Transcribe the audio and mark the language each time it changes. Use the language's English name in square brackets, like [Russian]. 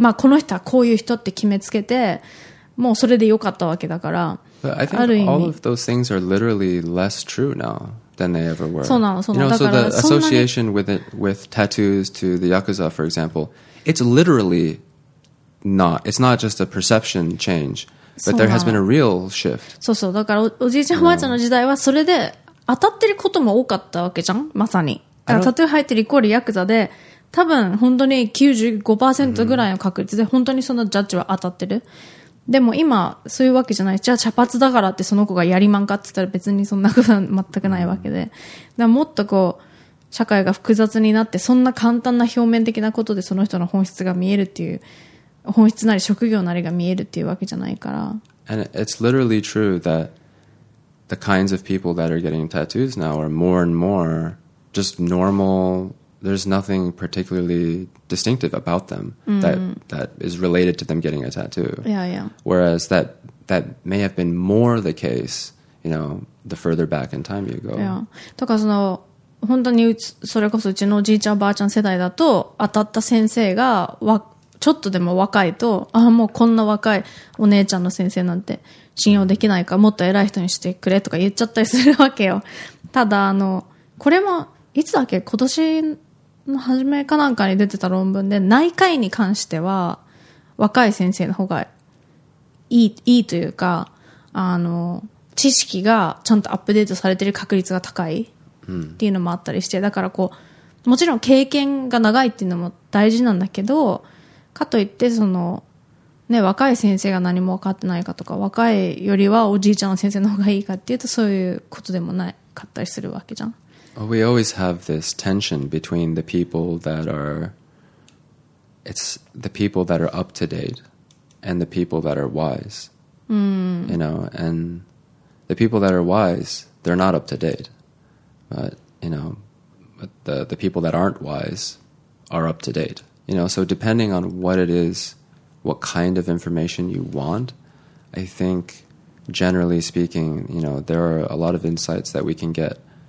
[English] right. [Japanese] まあ、この人はこういう人って決めつけて、もうそれで良かったわけだから、 [English] But I think all of those things are literally less true now than they ever were. [Japanese] そうなの、そうなの。 [English] You know, so the association with tattoos to the Yakuza, for example, it's literally not. It's not just a perception change, but there has been a real shift. [Japanese] そうそう。だから、おじいちゃん、おばあちゃんの時代はそれで当たってることも多かったわけじゃん、まさに。だから、タトゥー入ってるイコールヤクザで、多分本当に 95% ぐらいの確率で本当にそのジャッジは当たってる。でも今そういうわけじゃない。じゃあ茶髪だからってその子がやりまんかって言ったら別にそんなことは全くないわけで、だからもっとこう社会が複雑になってそんな簡単な表面的なことでその人の本質が見えるっていう本質なり職業なりが見えるっていうわけじゃないから。 [English] And it's literally true that the kinds of people that are getting tattoos now are more and more just normal. There's nothing particularly. Distinctive about them that is related to them getting a tattoo. Yeah, yeah. Whereas that may have been more the case, you know, the further back in time you go. Yeah. [Japanese] とかその本当にそれこそうちのおじいちゃんおばあちゃん世代だと当たった先生がちょっとでも若いとああもうこんな若いお姉ちゃんの先生なんて信用できないかもっと偉い人にしてくれとか言っちゃったりするわけよ。ただあのこれもいつだっけ今年。の初めかなんかに出てた論文で内科医に関しては若い先生の方がいいというかあの知識がちゃんとアップデートされてる確率が高いっていうのもあったりして、うん、だからこうもちろん経験が長いっていうのも大事なんだけどかといってそのね若い先生が何も分かってないかとか若いよりはおじいちゃんの先生の方がいいかっていうとそういうことでもなかったりするわけじゃん。 [English] We always have this tension between the people that are, it's the people that are up to date and the people that are wise,、 mm. you know, and the people that are wise, they're not up to date, but, you know, but the people that aren't wise are up to date, you know, so depending on what it is, what kind of information you want, I think generally speaking, you know, there are a lot of insights that we can get.